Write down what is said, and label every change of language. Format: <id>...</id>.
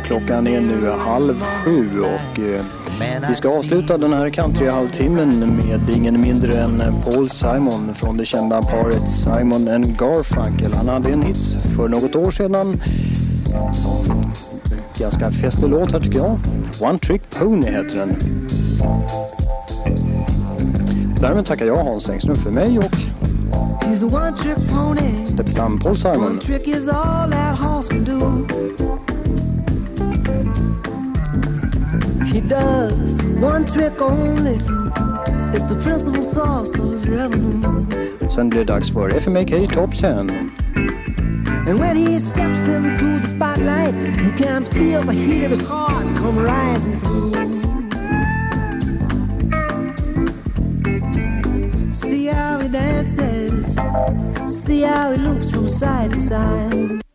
<sv>Klockan är nu 6:30 och vi ska avsluta den här country halvtimmen med ingen mindre än Paul Simon från det kända paret Simon and Garfunkel. Han hade en hit för något år sedan. Ganska festlig låt här tycker jag. One Trick Pony heter den. Därmed tackar jag Hans Engström för mig och</sv> <en>he's a one-trick pony. Step down, Paul Simon. One trick is all that horse can do. He does one trick only. It's the principal source of his revenue.</en> <sv>Sen blir det dags för FMAK Top 10.</sv> <en>And when he steps into the spotlight, you can feel the heat of his heart come rising through. See how he dances, see how he looks from side to side.</en>